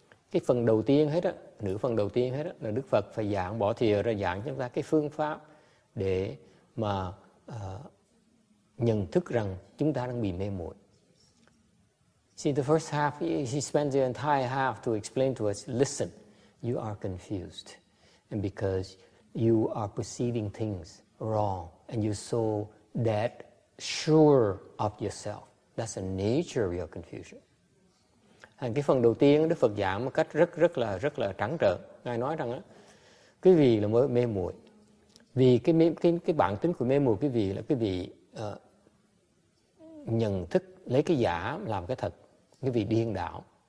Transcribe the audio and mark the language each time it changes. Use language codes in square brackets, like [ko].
[vi] Cái phần đầu tiên hết á, nửa phần đầu tiên hết á, là Đức Phật phải giảng bỏ thìa ra giảng chúng ta cái phương pháp để mà nhận thức rằng chúng ta đang bị mê muội. [en] See, the first half, he spends the entire half to explain to us, listen, you are confused. And because you are perceiving things wrong and you're so dead sure of yourself. That's the nature of your confusion. [vi] Thành cái phần đầu tiên Đức Phật giảng một cách rất là trắng trợn. Ngài nói rằng á, cái vị là mê muội. Vì cái bản tính của mê muội cái vị là cái vị nhận thức lấy cái giả làm cái thật, cái vị điên đảo.